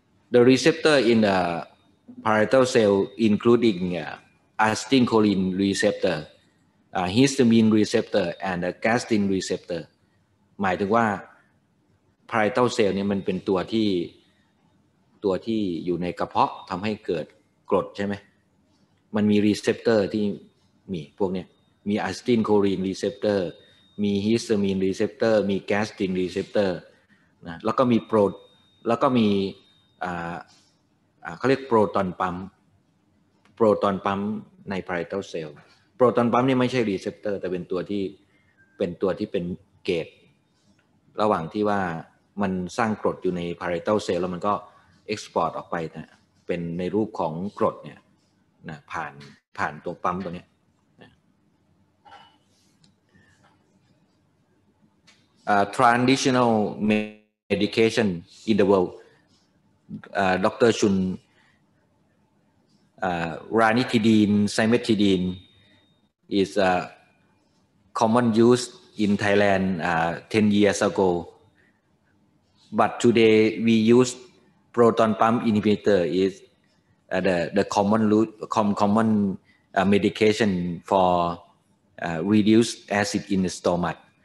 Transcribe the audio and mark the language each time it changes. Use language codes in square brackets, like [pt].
[en] The receptor in the parietal cell including acetylcholine receptor, histamine receptor and gastrin receptor. [th] หมายถึงว่า parietal cell เนี่ยมันเป็นตัวที่อยู่ในกระเพาะทำให้เกิดกรดใช่ไหมมันมีรีเซพเตอร์ที่มีพวกเนี้ยมีอะซิทิลโคลีนรีเซพเตอร์มีฮิสตามีนรีเซพเตอร์มีแกสตินรีเซพเตอร์นะแล้วก็มีโปรตแล้วก็มีเขาเรียกโปรตอนปั๊มในไพรเทลเซลล์โปรตอนปั๊มนี่ไม่ใช่รีเซพเตอร์แต่เป็นตัวที่เป็นเกตระหว่างที่ว่ามันสร้างกรดอยู่ในไพรเทลเซลล์แล้วมันก็export ออกไปนะเป็นในรูปของกรดเนี่ยนะผ่านตัวปั๊มตัวเนี้ย [en] traditional medication in the world Dr. Chun ranitidine cimetidine is common used in Thailand 10 years ago but today we useProton pump inhibitor is the common medication for reduced acid in the stomach.